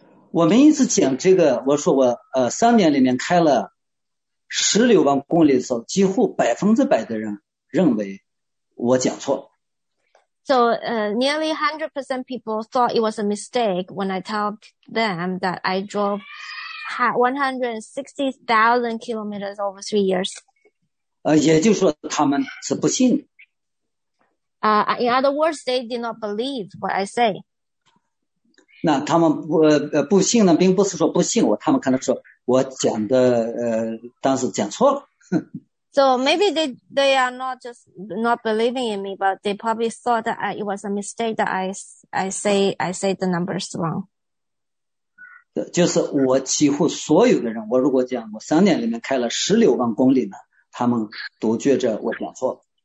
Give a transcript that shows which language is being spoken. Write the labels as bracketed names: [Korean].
[Chinese] 我每一次讲这个，我说我三年里面开了16万公里的时候，几乎100%的人认为我讲错。 [English] So, nearly 100% people thought it was a mistake when I told them that I drove 160,000 kilometers over 3 years. [Chinese] 也就是说他们是不信。 [English] In other words, they did not believe what I say. [Chinese] 那他们不信呢，并不是说不信我，他们可能说我讲的当时讲错了。 [English] So maybe they are not just not believing in me, but they probably thought that it was a mistake that I say the numbers wrong. [Chinese] 就是我几乎所有的人，我如果讲我三年里面开了16万公里呢，他们都觉着我讲错了。